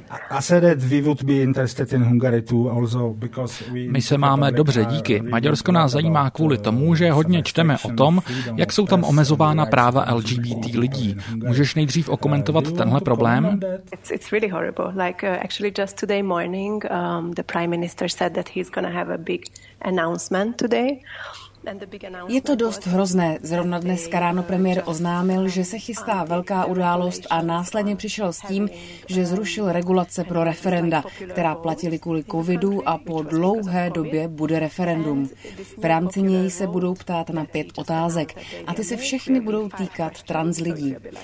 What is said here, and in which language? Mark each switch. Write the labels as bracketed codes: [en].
[en] I said that we would be interested in Hungary too, also because [cs] my se máme dobře, díky. Maďarsko nás zajímá kvůli tomu, že hodně čteme o tom, jak jsou tam omezována práva LGBT lidí. Můžeš nejdřív okomentovat tenhle problém? [en] It's really horrible. Like actually just today morning, the prime minister said that he's going to have a big announcement today. [cs] Je to dost hrozné. Zrovna dneska ráno premiér oznámil, že se chystá velká událost a následně přišel s tím, že zrušil regulace pro referenda, která platily kvůli covidu a po dlouhé době bude referendum. V rámci něj se budou ptát na 5 otázek a ty se všechny budou týkat trans lidí.